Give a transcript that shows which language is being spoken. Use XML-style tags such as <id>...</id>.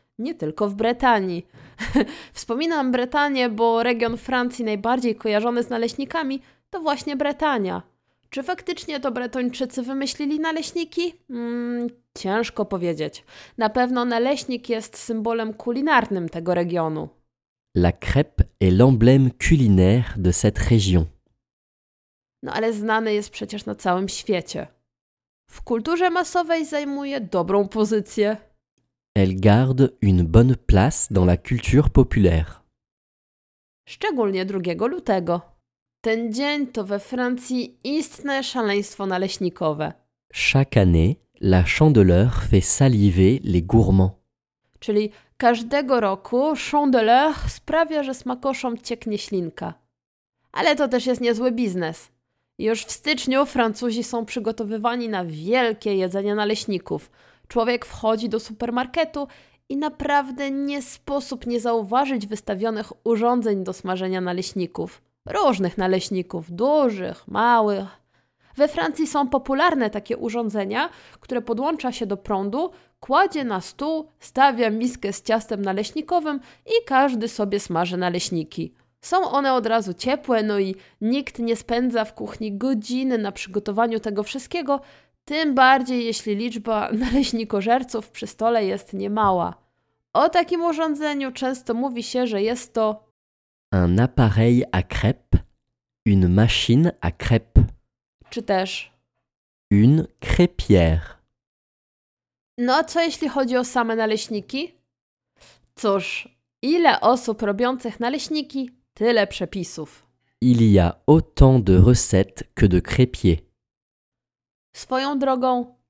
<pl>Nie tylko w Bretanii. Wspominam Bretanię, bo region Francji najbardziej kojarzony z naleśnikami to właśnie Bretania. Czy faktycznie to Bretończycy wymyślili naleśniki? Ciężko powiedzieć. Na pewno naleśnik jest symbolem kulinarnym tego regionu.</pl> <fr>La crêpe est l'emblème culinaire de cette région.</fr> <pl>No ale znany jest przecież na całym świecie. W kulturze masowej zajmuje dobrą pozycję.</pl> <fr>Elle garde une bonne place dans la culture populaire.</fr> <pl>Szczególnie 2 lutego. Ten dzień to we Francji istne szaleństwo naleśnikowe.</pl> <fr>Chaque année, la Chandeleur fait saliver les gourmands.</fr> <pl>Czyli każdego roku Chandeleur sprawia, że smakoszom cieknie ślinka. Ale to też jest niezły biznes. Już w styczniu Francuzi są przygotowywani na wielkie jedzenie naleśników. Człowiek wchodzi do supermarketu i naprawdę nie sposób nie zauważyć wystawionych urządzeń do smażenia naleśników. Różnych naleśników, dużych, małych. We Francji są popularne takie urządzenia, które podłącza się do prądu, kładzie na stół, stawia miskę z ciastem naleśnikowym i każdy sobie smaży naleśniki. Są one od razu ciepłe, no i nikt nie spędza w kuchni godziny na przygotowaniu tego wszystkiego, tym bardziej jeśli liczba naleśnikożerców przy stole jest niemała. O takim urządzeniu często mówi się, że jest to</pl> <fr>un appareil à crêpes, une machine à crêpes.</fr> <pl>Czy też</pl> <fr>une crêpière.</fr> <pl>No a co jeśli chodzi o same naleśniki? Cóż, ile osób robiących naleśniki, tyle przepisów.</pl> <fr>Il y a autant de recettes que de crêpiers.</fr> <pl>Swoją drogą</pl>